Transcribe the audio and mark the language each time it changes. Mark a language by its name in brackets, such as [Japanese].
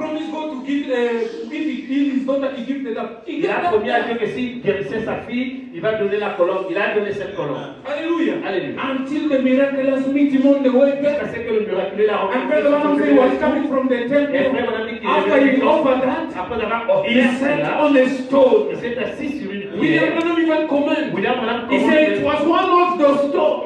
[English] promised God to give his daughter to give the dog. [French] Il a promis à Dieu que s'il guérissait sa fille, il va donner la colombe. Il a donné cette colombe. Alléluia. Alléluia. [English] Until the miraculous meet him on the way back. [French] Parce que le miraculeux l'a rencontré. [English] And brother Manasseh was coming from the temple. After he offered that, [French] après avoir offert, [English] he sat on a stone. [French] Il s'est assis sur une pierre. [English] William Branham even commented. William Branham commented. He said it was one of the stones.